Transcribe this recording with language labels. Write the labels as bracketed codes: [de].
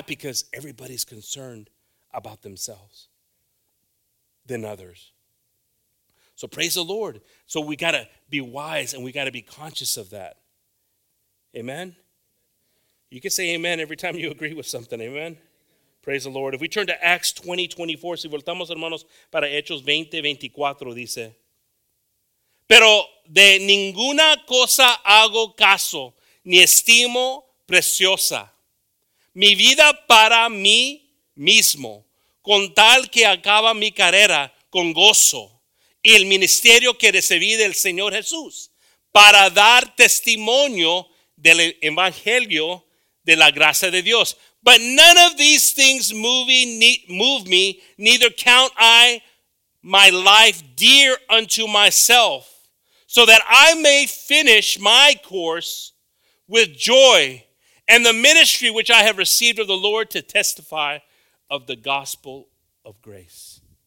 [en] Because everybody's concerned about themselves than others. So praise the Lord. So we got to be wise and we got to be conscious of that. Amen? You can say amen every time you agree with something. Amen? Praise the Lord. If we turn to Acts 20:24, [es] si voltamos, hermanos, para Hechos 20:24, dice, pero de ninguna cosa hago caso, ni estimo preciosa mi vida para mí mismo, con tal que acaba mi carrera con gozo y el ministerio que recibí del Señor Jesús para dar testimonio del evangelio de la gracia de Dios. [en] But none of these things move me, neither count I my life dear unto myself, so that I may finish my course with joy and the ministry which I have received of the Lord to testify of the gospel of grace.